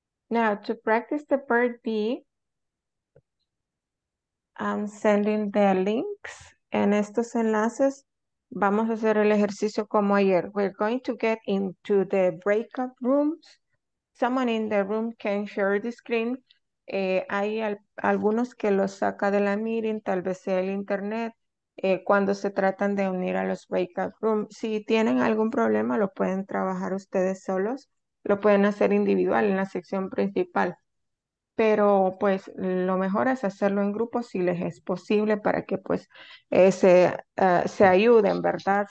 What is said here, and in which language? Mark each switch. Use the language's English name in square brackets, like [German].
[English] Now, to practice the part B, I'm sending the links. [Spanish] En estos enlaces, vamos a hacer el ejercicio como ayer. [English] We're going to get into the breakout rooms. Someone in the room can share the screen. [Spanish] Hay algunos que los saca de la meeting, tal vez sea el internet, cuando se tratan de unir a los breakout rooms. Si tienen algún problema, lo pueden trabajar ustedes solos. Lo pueden hacer individual en la sección principal, pero pues lo mejor es hacerlo en grupo si les es posible para que pues se ayuden, ¿verdad?